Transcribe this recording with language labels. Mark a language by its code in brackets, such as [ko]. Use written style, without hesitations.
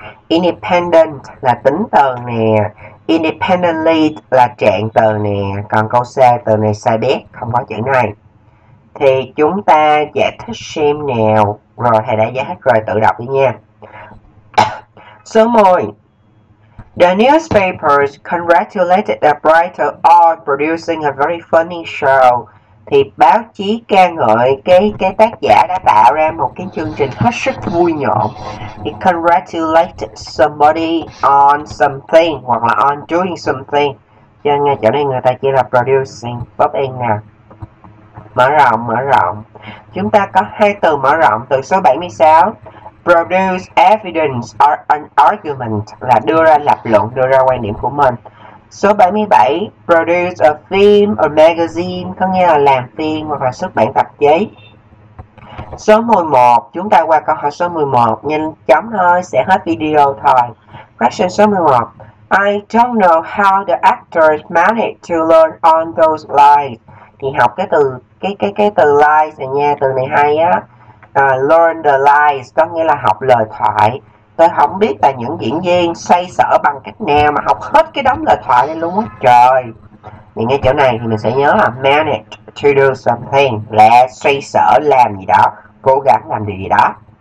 [vi] Independent là tính từ nè, independently là trạng từ nè, còn câu C từ này sai biết, không có chữ này. Thì chúng ta giải thích xem nào. Rồi, thầy đã giải thích rồi, tự đọc đi nha. Số 10. [en] The newspapers congratulated the writer on producing a very funny show. [vi] Thì báo chí ca ngợi cái tác giả đã tạo ra một cái chương trình hết sức vui nhộn. [en] He congratulated somebody on something [vi] hoặc là [en] on doing something. [vi] Cho nên chỗ này người ta chỉ là producing, bóp in nè. Mở rộng, mở rộng. Chúng ta có hai từ mở rộng, từ số 76. [en] Produce evidence or an argument [vi] là đưa ra lập luận, đưa ra quan điểm của mình. Số 77, [en] produce a film or magazine, [vi] có nghĩa là làm phim hoặc là xuất bản tạp chí. Số 11, chúng ta qua câu hỏi số 11, nhanh chóng thôi, sẽ hết video thôi. [en] Question [vi] số 11, [en] I don't know how the actors managed to learn on those lines. [vi] Thì học cái từ lines này nha, từ này hay á. [en] Learn the lines, [vi] có nghĩa là học lời thoại. Tôi không biết là những diễn viên xoay sở bằng cách nào mà học hết cái đống lời thoại này luôn á. Trời, mình nghe chỗ này thì mình sẽ nhớ là [en] manage to do something [vi] là xoay sở làm gì đó, cố gắng làm điều gì đó.